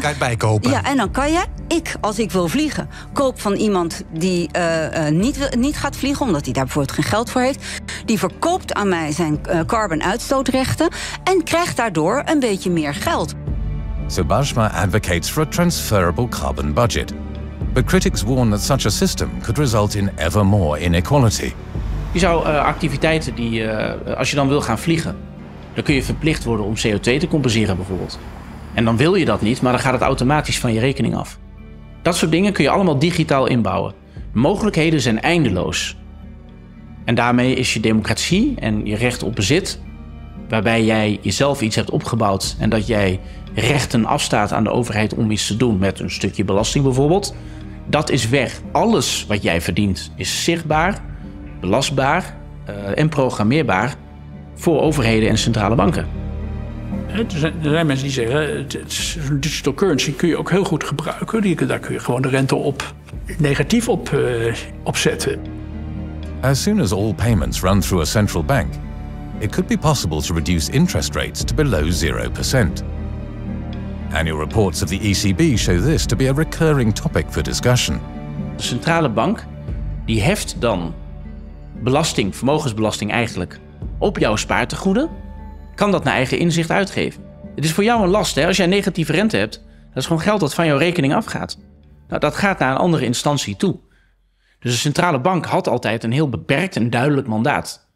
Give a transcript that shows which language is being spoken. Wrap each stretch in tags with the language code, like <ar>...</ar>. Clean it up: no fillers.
<nl>Kan je bijkopen. Ja, en dan kan je, als ik wil vliegen, koop van iemand die niet gaat vliegen, omdat hij daar bijvoorbeeld geen geld voor heeft, die verkoopt aan mij zijn carbon uitstootrechten en krijgt daardoor een beetje meer geld.</nl> <en>So Bashma advocates for a transferable carbon budget. But critics warn that such a system could result in ever more inequality.</en> <nl>Je zou activiteiten die, als je dan wil gaan vliegen, dan kun je verplicht worden om CO2 te compenseren bijvoorbeeld. En dan wil je dat niet, maar dan gaat het automatisch van je rekening af. Dat soort dingen kun je allemaal digitaal inbouwen. Mogelijkheden zijn eindeloos. En daarmee is je democratie en je recht op bezit, waarbij jij jezelf iets hebt opgebouwd en dat jij rechten afstaat aan de overheid om iets te doen met een stukje belasting bijvoorbeeld, dat is weg. Alles wat jij verdient is zichtbaar, belastbaar en programmeerbaar voor overheden en centrale banken. Er zijn mensen die zeggen, zo'n digital currency kun je ook heel goed gebruiken. Daar kun je gewoon de rente op negatief op zetten.</nl> <en>As soon as all payments run through a central bank, it could be possible to reduce interest rates to below 0%. Annual reports of the ECB show this to be a recurring topic for discussion.</en> <nl>De centrale bank die heft dan belasting, vermogensbelasting eigenlijk, op jouw spaartegoeden, kan dat naar eigen inzicht uitgeven. Het is voor jou een last, hè? Als jij negatieve rente hebt, dat is gewoon geld dat van jouw rekening afgaat. Nou, dat gaat naar een andere instantie toe. Dus de centrale bank had altijd een heel beperkt en duidelijk mandaat.</nl>